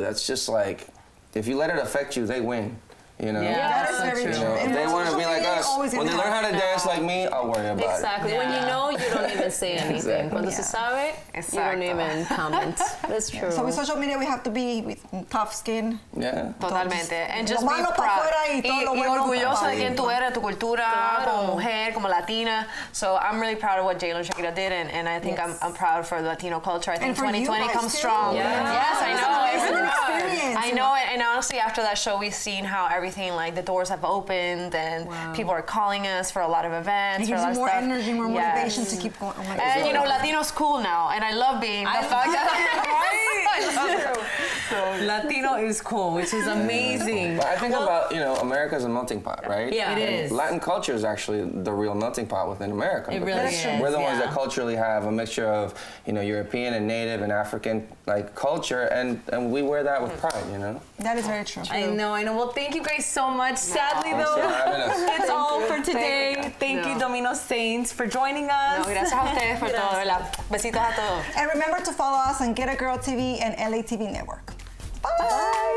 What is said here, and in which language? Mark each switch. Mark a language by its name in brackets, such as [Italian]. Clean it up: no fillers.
[English] That's just like, if you let it affect you, they win. You know, that's very true. If they want to be like us, when they learn how to dance like me, I'll worry about it. Exactly. Yeah. When you know you don't even can't say anything. Exactly. [Spanish] Cuando se sabe, exacto. [English] You don't even comment. That's true. So with social media, we have to be with tough skin. Yeah. [Spanish] Totalmente. [English] And just be proud. [Spanish] Y orgulloso de quien tú eres, tu cultura, como mujer, como latina. [English] So I'm really proud of what J-Lo and Shakira did, and I think I'm proud for the Latino culture. I think 2020 comes strong. Yes, I know. I know it, and honestly, after that show, we've seen how everything, like, the doors have opened, and people are calling us for a lot of events, for a lot of stuff. Energy, more motivation to keep going. Oh my God. And, you know, Latino's cool now, and I love being the fact that... Latino is cool, which is amazing. But I think about, you know, America's a melting pot, right? Yeah, it is. Latin culture is actually the real melting pot within America. It really is. We're the ones that culturally have a mixture of, you know, European and Native and African, like, culture, and we wear that with pride, you know? That is very true. I know, I know. Well, thank you guys so much. Yeah. Sadly, though, it's all for today. Thank you, Domino Saints, for joining us. [Spanish] No, gracias a ustedes por todo, ¿verdad? Besitos a todos. [English] And remember to follow us on Get a Girl TV and LATV Network. Bye! Bye.